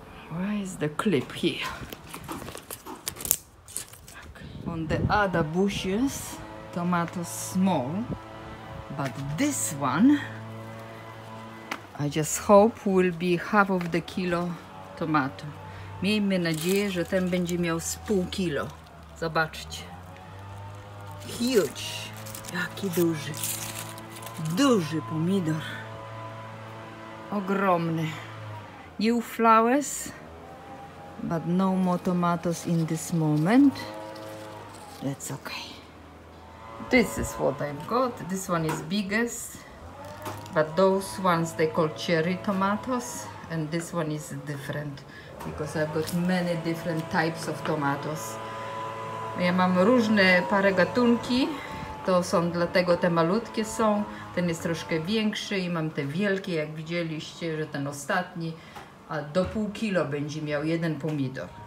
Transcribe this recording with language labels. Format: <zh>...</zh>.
<en>Where is the clip here? Okay. On the other bushes, tomatoes small, but this one I just hope will be half of the kilo tomatu.</en> <pl>Miejmy nadzieję, że ten będzie miał z pół kilo. Zobaczcie.</pl> <en>Huge!</en> <pl>Jaki duży. Duży pomidor. Ogromny.</pl> <en>New flowers, but no more tomatoes in this moment. That's okay. This is what I've got. This one is biggest, but those ones they call cherry tomatoes, and this one is different because I've got many different types of tomatoes.</en> <pl>Ja mam różne parę gatunki. To są dlatego te malutkie są. Ten jest troszkę większy i mam te wielkie, jak widzieliście, że ten ostatni. A do pół kilo będzie miał jeden pomidor.</pl>